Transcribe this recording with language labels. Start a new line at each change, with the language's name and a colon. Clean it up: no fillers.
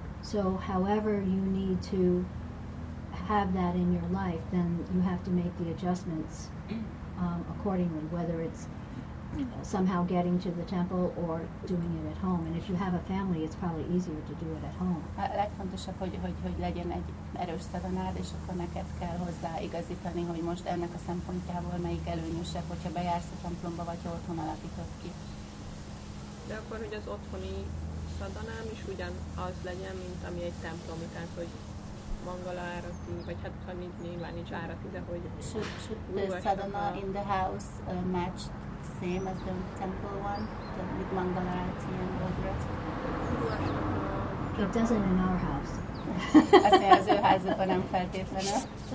English: So however you need to have that in your life, then you have to make the adjustments accordingly, whether it's somehow getting to the temple or doing it at home. And if you have a family, it's probably easier to do it at home.
Hungarian: A legfontosabb, hogy legyen egy erős szadanád, és akkor neked kell hozzá igazítani, hogy most ennek a szempontjából melyik előnyösebb, hogyha bejársz a templomba, vagy ha otthon alapítod ki. De akkor, hogy az otthoni szadanám is ugyanaz legyen, mint ami egy templomi, tehát hogy mangala árati, vagy hát ha nyilván nincs árati, de hogy...
English: Should the sadhana in the house match same as the temple one, with mangala arati and all the rest? It doesn't in our house.
Hungarian: Az ő házukban nem feltétlenül.